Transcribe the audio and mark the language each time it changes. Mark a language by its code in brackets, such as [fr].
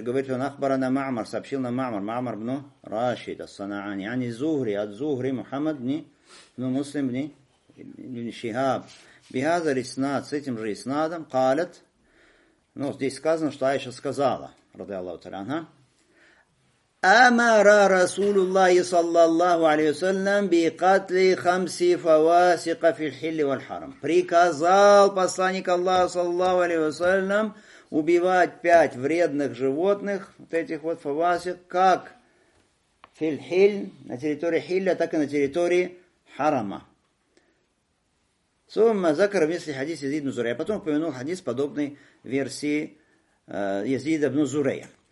[ru] Говорит он, Ахбарана Маамар, сообщил нам Маамар, Маамар бну Рашид, ас-Санаани, ани Зухри, ад-Зухри, Мухаммад бни, ну, Муслим бни, Шихаб. Бихаза риснад, с этим же иснадом, калят. Ну, здесь сказано, что Айша сказала, радиаллаху та'аля анха. [ar] أمر رسول الله صلى الله عليه وسلم بقتل خمس فواسق في الحل والحرم. [ru] Приказал посланник Аллаха [ar] صلى الله عليه وسلم [ru] убивать пять вредных животных, вот этих вот фавасик, как на территории хилля, так и на территории харама. Сумма закара мисли хадис Язид ибн Зурайя. Потом упомянул хадис подобной версии Язида ибн Зурайя.